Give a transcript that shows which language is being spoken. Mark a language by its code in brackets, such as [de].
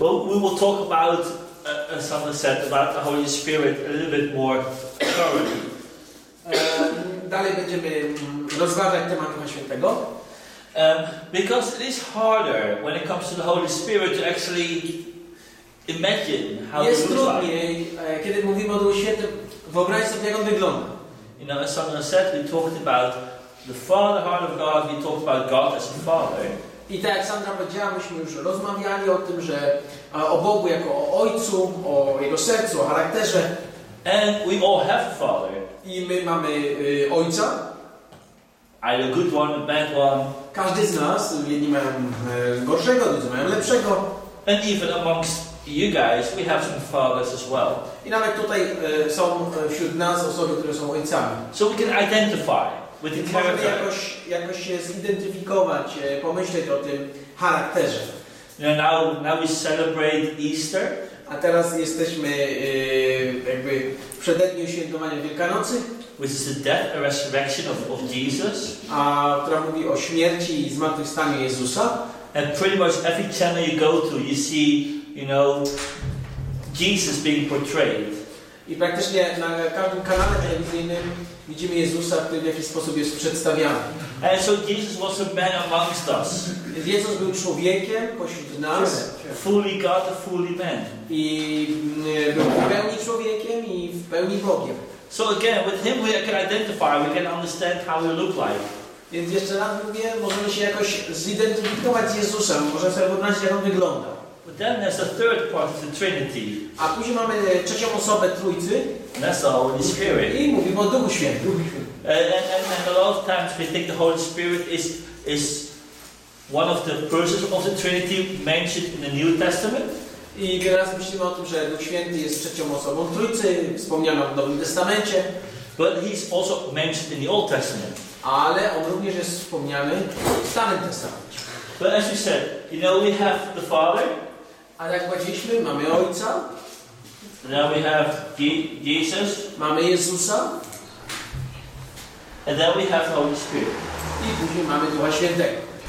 [en] Well, we will talk about, as someone said, about the Holy Spirit a little bit more thoroughly. [pl] Dalej będziemy rozważać temat Ducha Świętego. [en] Because it is harder when it comes to the Holy Spirit to actually imagine how [pl] jest [en] it looks [pl] trudniej, [en] like. [pl] Kiedy mówimy o Duchu Świętym, wyobraź sobie, jak on wygląda. [en] You know, as someone said, we talked about the Father, heart of God, we talked about God as the Father. [pl] I tak jak Sandra powiedziała, myśmy już rozmawiali o tym, że o Bogu jako o Ojcu, o Jego sercu, o charakterze. [en] And we all have a father. [pl] I my mamy Ojca. [en] Either good one, bad one. [pl] Każdy z nas, jedni mają gorszego, drudzy mają lepszego. [en] And even amongst you guys, we have some fathers as well. [pl] I nawet tutaj są wśród nas osoby, które są ojcami. [en] So we can identify with the character. [pl] Możemy jakoś się zidentyfikować, pomyśleć o tym charakterze. [en] Yeah, now we celebrate Easter. [pl] A teraz jesteśmy jakby w przededniu świętowania Wielkanocy. [en] Which is the death and resurrection of Jesus. [pl] A która mówi o śmierci i zmartwychwstaniu Jezusa. [en] And pretty much every channel you go to, you see, you know, Jesus being portrayed. [pl] I praktycznie na każdym kanale telewizyjnym widzimy Jezusa, który w jakiś sposób jest przedstawiany. [en] And so Jesus was a man amongst us. [pl] Jezus był człowiekiem pośród nas. [en] Fully God, fully man. [pl] I był w pełni człowiekiem i w pełni Bogiem. [en] So again, with him we can identify, we can understand how he looked like. [pl] Więc jeszcze raz mówię, możemy się jakoś zidentyfikować z Jezusem, możemy sobie wyobrazić, jak on wygląda. [en] But then there's a third part of the Trinity. [pl] A później mamy trzecią osobę Trójcy. [en] That's the Holy Spirit. [pl] I mówimy o Duchu Świętym. [en] And a lot of times we think the Holy Spirit is one of the persons of the Trinity mentioned in the New Testament. [pl] I teraz myślimy o tym, że Duch Święty jest trzecią osobą Trójcy, wspomniana w Nowym Testamencie. [en] But he's also mentioned in the Old Testament. [pl] Ale on również jest wspomniany w Starym Testamencie. [en] But as you said, you know, we have the Father. [pl] A jak powiedzieliśmy, mamy Ojca. [en] And then we have Jesus. [pl] Mamy Jezusa. [en] And then we have the Holy Spirit. [pl] I później mamy Ducha Świętego.